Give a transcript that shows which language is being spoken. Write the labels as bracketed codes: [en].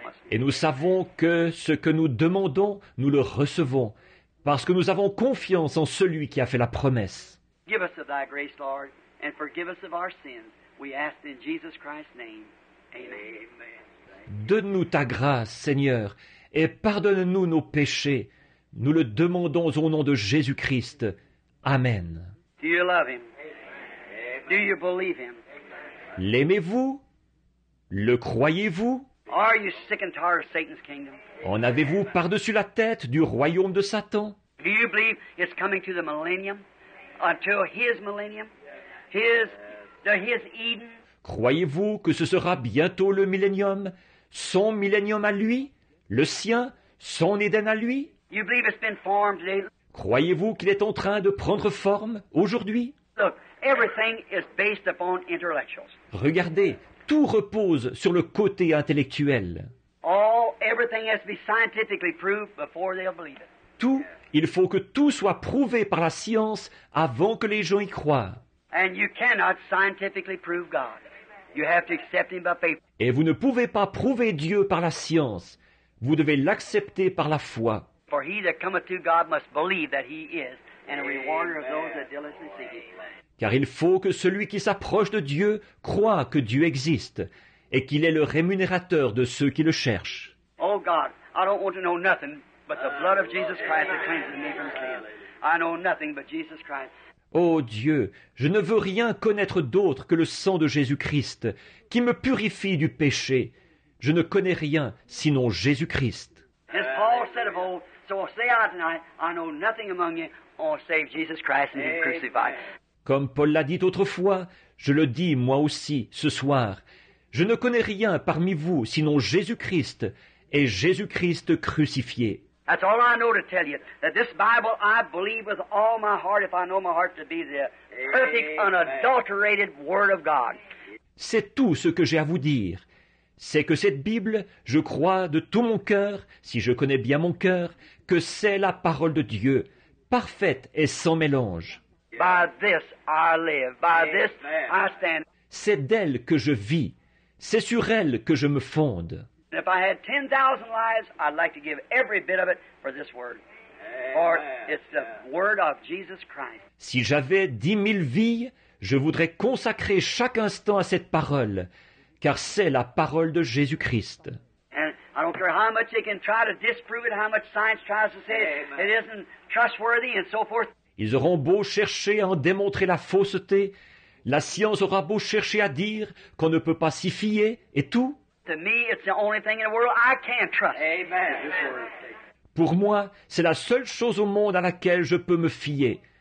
[fr] Et nous savons que ce que nous demandons, nous le recevons, parce que nous avons confiance en celui qui a fait la promesse. [en] Give us of thy grace, Lord, and forgive us of our sins. We ask in Jesus Christ's name. Amen. [fr] Donne-nous ta grâce, Seigneur, et pardonne-nous nos péchés. Nous le demandons au nom de Jésus-Christ. Amen. [en] Do you love him? Amen. Do you believe him? [fr] L'aimez-vous? Le croyez-vous? [en] Are you sick and tired of Satan's kingdom? [fr] En avez-vous par-dessus la tête du royaume de Satan? [en] Do you believe it's coming to the millennium? Until his millennium? His Eden? [fr] Croyez-vous que ce sera bientôt le millénium? Son millénium à lui? Le sien? Son Éden à lui? [en] You believe it's been formed today? [fr] Croyez-vous qu'il est en train de prendre forme aujourd'hui? [en] Look, everything is based upon intellectuals. [fr] Regardez, tout repose sur le côté intellectuel. [en] Everything has to be scientifically proved before they'll believe it. [fr] Tout, il faut que tout soit prouvé par la science avant que les gens y croient. [en] And you cannot scientifically prove God. You have to accept him by faith. [fr] Et vous ne pouvez pas prouver Dieu par la science. Vous devez l'accepter par la foi. [en] For he that cometh to God must believe that he is, and a rewarder of those that diligently seek him. [fr] Car il faut que celui qui s'approche de Dieu croie que Dieu existe et qu'il est le rémunérateur de ceux qui le cherchent. [en] Oh God, I don't want to know nothing but the blood of Jesus Christ that cleanses me from sin. I know nothing but Jesus Christ. [fr] Oh Dieu, je ne veux rien connaître d'autre que le sang de Jésus-Christ qui me purifie du péché. Je ne connais rien sinon Jésus-Christ. [en] As Paul said of old, so I'll say out tonight, I know nothing among you all save Jesus Christ and him crucified. [fr] Comme Paul l'a dit autrefois, je le dis moi aussi ce soir. Je ne connais rien parmi vous sinon Jésus-Christ et Jésus-Christ crucifié. [en] That's all I know to tell you, that this Bible I believe with all my heart, if I know my heart to be the perfect, unadulterated Word of God. [fr] C'est tout ce que j'ai à vous dire. C'est que cette Bible, je crois de tout mon cœur, si je connais bien mon cœur, que c'est la parole de Dieu, parfaite et sans mélange. [en] By this I live, by this I stand. [fr] C'est d'elle que je vis. C'est sur elle que je me fonde. [en] If I had 10,000 lives, I'd like to give every bit of it for this word. For it's the word of Jesus Christ. [fr] Si j'avais 10,000 vies, je voudrais consacrer chaque instant à cette parole, car c'est la parole de Jésus Christ. [en] And I don't care how much they can try to disprove it, how much science tries to say it isn't trustworthy and so forth. [fr] Ils auront beau chercher à en démontrer la fausseté, la science aura beau chercher à dire qu'on ne peut pas s'y fier et tout. [en] To me, it's the only thing in the world I can trust. Amen. [fr] Pour moi, c'est la seule chose au monde à laquelle je peux me fier.